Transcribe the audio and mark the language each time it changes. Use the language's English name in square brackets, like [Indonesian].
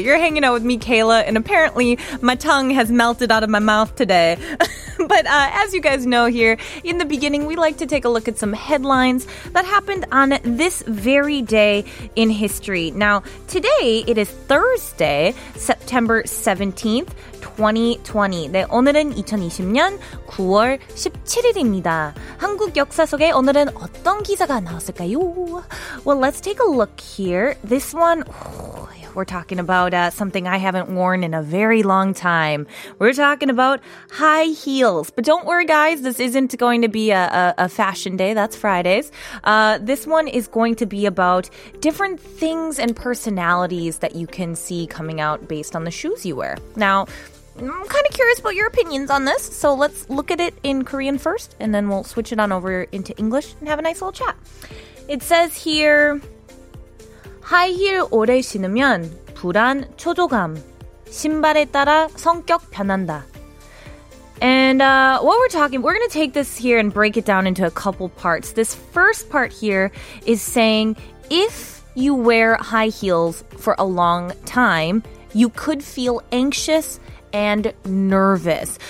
[English] You're hanging out with me, Kayla, and apparently my tongue has melted out of my mouth today. But as you guys know here, in the beginning, we like to take a look at some headlines that happened on this very day in history. Now, today, it is Thursday, September 17th, 2020. [Korean] 네, 오늘은 2020년 9월 17일입니다. 한국 역사 속에 오늘은 어떤 기사가 나왔을까요? [English] Well, let's take a look here. This one, we're talking about something I haven't worn in a very long time. We're talking about high heels. But don't worry, guys. This isn't going to be a fashion day. That's Fridays. This one is going to be about different things and personalities that you can see coming out based on the shoes you wear. Now, I'm kind of curious about your opinions on this, so let's look at it in Korean first, and then we'll switch it on over into English and have a nice little chat. It says here, [Korean] 하이힐 오래 신으면 불안, 초조감, 신발에 따라 성격 변한다. [English] And what we're talking, we're going to take this here and break it down into a couple parts. This first part here is saying, if you wear high heels for a long time, you could feel anxious and nervous.